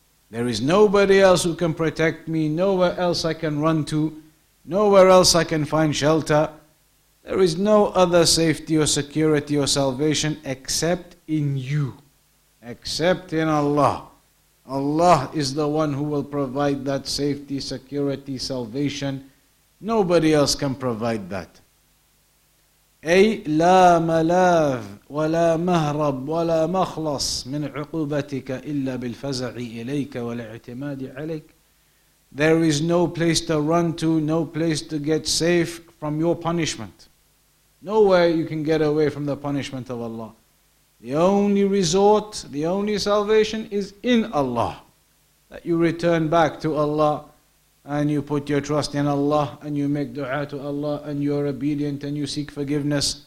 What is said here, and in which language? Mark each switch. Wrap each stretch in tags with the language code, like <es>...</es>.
<en>There is nobody else who can protect me, nowhere else I can run to, nowhere else I can find shelter. There is no other safety or security or salvation except in you, except in Allah. Allah is the one who will provide that safety, security, salvation. Nobody else can provide that.</en> <ar>أي لا ملاذ ولا مهرب ولا مخلص من عقوبتك إلا بالفزع إليك والاعتماد عليك.</ar> <en>There is no place to run to, no place to get safe from your punishment. Nowhere you can get away from the punishment of Allah. The only resort, the only salvation is in Allah. That you return back to Allah and you put your trust in Allah and you make dua to Allah and you are obedient and you seek forgiveness.</en>